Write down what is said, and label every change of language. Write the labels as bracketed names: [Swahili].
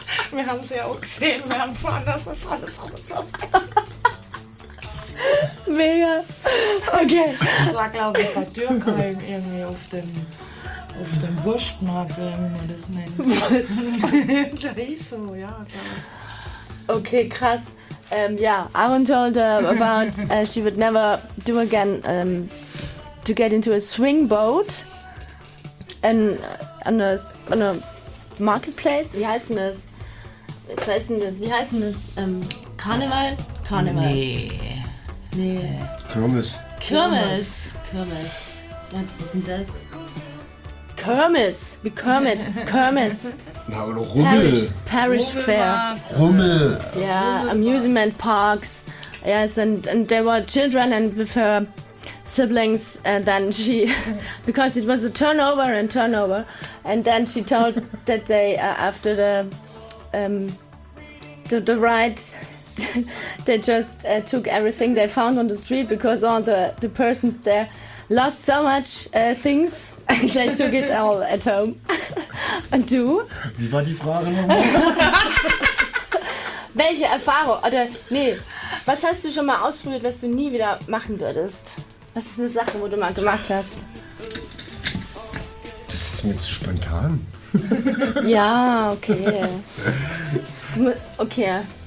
[German] Wir haben sie ja auch gesehen, wir haben vorhin, dass das alles runterkommt. Mega. Okay. Das war, glaube ich, bei Dürkheim irgendwie auf dem Wurstmarkt, wenn man das nennt. Da hieß so, ja. Okay, krass. [English] Ja, Aaron told her about, she would never do again, to get into a swing boat and on a marketplace. [German] Wie heißt denn das? Was heißt denn das? Wie heißt denn das? Karneval? Karneval. Nee. Kirmes. Kirmes. Kirmes. Was ist denn das? Kirmes. Wie Kermit. Kirmes. Na, aber doch Rummel. [English] Parish Fair. [German] Rummel. Ja, [English] Amusement Parks. Yes, and there were children and with her siblings, and then she, because it was a turnover, and then she told that they, after the ride, they just took everything they found on the street because all the persons there lost so much things, and they took it all at home. And [German] du? Wie war die Frage nochmal? Welche Erfahrung, oder, nee, was hast du schon mal ausprobiert, was du nie wieder machen würdest? Was ist eine Sache, wo du mal gemacht hast? Das ist mir zu spontan. Ja, okay. Okay.